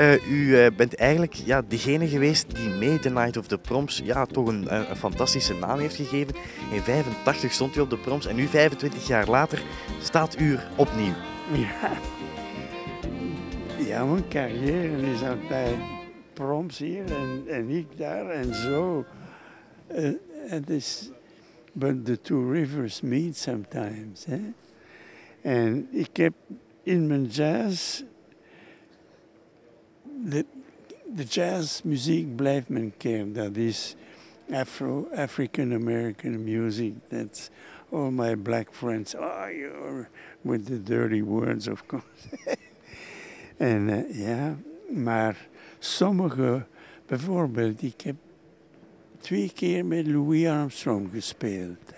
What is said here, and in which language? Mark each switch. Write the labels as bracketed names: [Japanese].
[Dutch] U bent eigenlijk degene geweest die mee de Night of the Proms toch een fantastische naam heeft gegeven. In 85 stond u op de Proms en nu 25 jaar later staat u er opnieuw. Ja, mijn carrière is altijd Proms hier en ik daar en zo. Het is... [English] But the two rivers meet sometimes. [Dutch] Hè? En ik heb in mijn jazz... De jazzmuziek blijft mijn kern. Dat is Afro-African-American music. [English] That's all my black friends. Oh, you're with the dirty words, of course. [Dutch] En maar sommige... Bijvoorbeeld, ik heb twee keer met Louis Armstrong gespeeld.